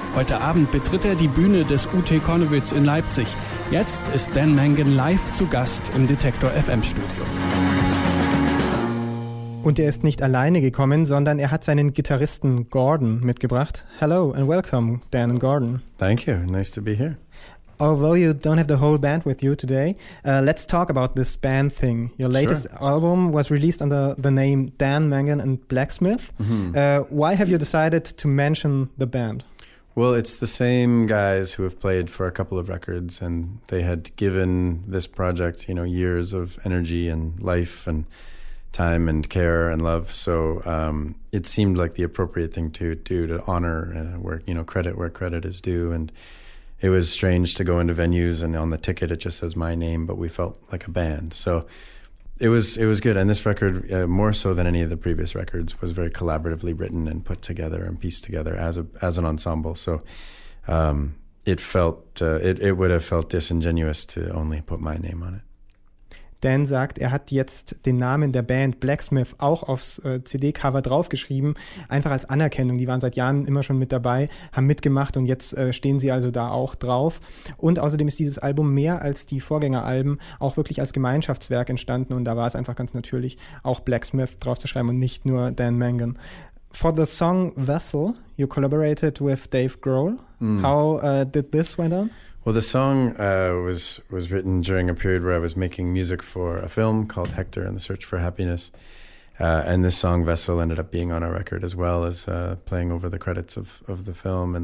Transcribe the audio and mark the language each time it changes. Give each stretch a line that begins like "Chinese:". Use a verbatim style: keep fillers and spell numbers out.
German: Heute Abend betritt er die Bühne des U T Konnewitz in Leipzig. Jetzt ist Dan Mangan live zu Gast im Detektor F M Studio. Und er ist nicht alleine gekommen, sondern er hat seinen Gitarristen Gordon mitgebracht.
English: Hello and welcome, Dan and Gordon. Thank you. Nice to be here. Although you don't have the whole band with you today, uh, let's talk about this band thing. Your latest sure. album was released under the name Dan Mangan and Blacksmith. Mm-hmm. Uh, why have you decided to mention the band? Well, it's the same guys who have played for a couple of records, and they had given this project, you know, years of energy and life and time and care and love. So um, it seemed like the appropriate thing to do to honor uh, where, you know, credit where credit is due. And it was strange to go into venues and on the ticket it just says my name, but we felt like a band. So it was it was good. And this record, uh, more so than any of the previous records, was very collaboratively written and put together and pieced together as a as an ensemble. So um, it felt uh, it it would have felt disingenuous to only put my name on it.
German: Dan sagt, er hat jetzt den Namen der Band Blacksmith auch aufs äh, C D-Cover draufgeschrieben, einfach als Anerkennung. Die waren seit Jahren immer schon mit dabei, haben mitgemacht und jetzt äh, stehen sie also da auch drauf. Und außerdem ist dieses Album mehr als die Vorgängeralben auch wirklich als Gemeinschaftswerk entstanden und da war es einfach ganz natürlich, auch Blacksmith draufzuschreiben und nicht nur Dan Mangan.
English: For the song Vessel, you collaborated with Dave Grohl. Mm. How uh, did this went on? Well, the song uh, was was written during a period where I was making music for a film called Hector and the Search for Happiness, uh, and this song Vessel ended up being on our record as well as uh, playing over the credits of, of the film.